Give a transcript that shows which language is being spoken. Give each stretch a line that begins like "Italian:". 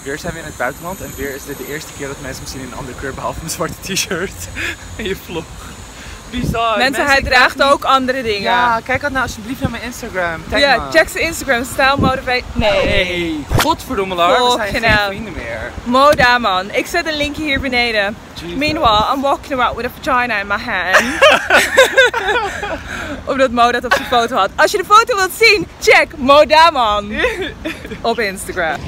Dutch: Weer zijn we in het buitenland en weer is dit de eerste keer dat mensen me zien in een andere kleur behalve mijn zwarte t-shirt en je vlog. Bizar. Mensen, hij draagt ook niet... andere dingen. Ja, kijk dat nou alsjeblieft naar mijn Instagram. Tag ja, me. Check zijn Instagram. Style Motivate. Nee. Hey, godverdomme Lars, we zijn geen vrienden meer. Moda man, ik zet een linkje hier beneden. Jesus.
English: Meanwhile, I'm walking around with a vagina in my hand.
Dutch: Omdat Mo dat op zijn foto had. Als je de foto wilt zien, check Mo Daman op Instagram.